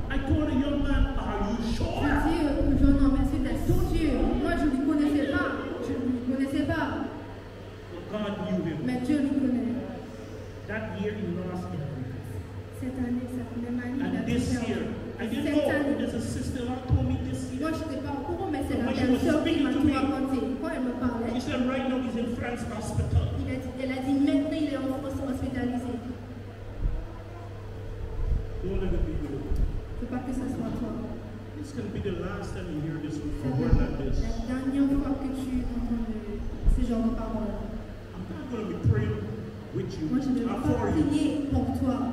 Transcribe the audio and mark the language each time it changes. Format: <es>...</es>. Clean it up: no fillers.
<en>I told a young man, are you sure?</en> <fr>Je dis au jeune homme, mais c'est ton Dieu. Moi, je ne le connaissais pas. Je ne le connaissais pas.</fr> <en>But God knew him.</en> <fr>Mais Dieu le connaît.</fr> <en>That year he lost him.</en> <fr>Cette année, cette même année,</fr> <en>and this year, I didn't know. There's a sister who told me this year.</en> <fr>Moi, je n'étais pas au courant, mais c'est la même sœur qui m'a tout raconté. Quand elle me parlait.</fr> <en>She said, right now he's in France hospital.</en> <fr>Elle a dit, maintenant il est en France hospitalisé.</fr> <en>Don't let it be you.</en> <fr>Faut pas que ça soit toi.</fr> <en>This can be the last time you hear this word like this.</en> <fr>La dernière fois que tu entends ce genre de parole.</fr> <en>I'm not going to be praying with you.</en> <fr>Moi, je ne vais pas prier pour toi.</fr>